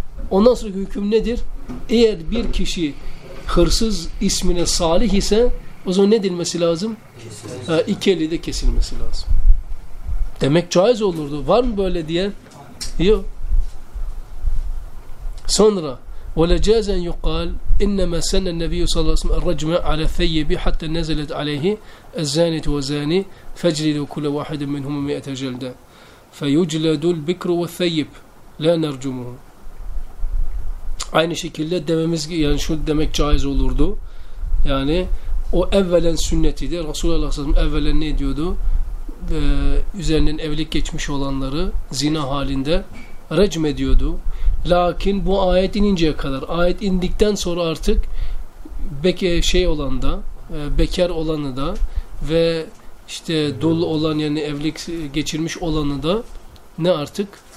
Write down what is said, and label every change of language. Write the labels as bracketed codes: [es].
[tr] Ondan sonra hüküm nedir? Eğer bir kişi hırsız ismine salih ise o zaman ne denilmesi lazım? İki eli de kesilmesi lazım. Demek caiz olurdu. Var mı böyle diye? Yok. Sonra [ar] ولجاز أن يقال إنما سن النبي صلى الله عليه وسلم الرجم على الثيب حتى نزلت عليه الزانية وزاني فجلد كل واحد منهم 100 جلدة فيجلد البكر والثيب لا نرجمه. [tr] Aynı şekilde dememiz, yani şu demek caiz olurdu. Yani o evvelen sünnetiydi. Resulullah sallallahu aleyhi ve sellem evvelen ne diyordu? Üzerinden evlilik geçmiş olanları zina halinde recm ediyordu. Lakin bu ayet ininceye kadar, ayet indikten sonra artık bekar olanı da ve işte dul olan, yani evlilik geçirmiş olanı da ne artık?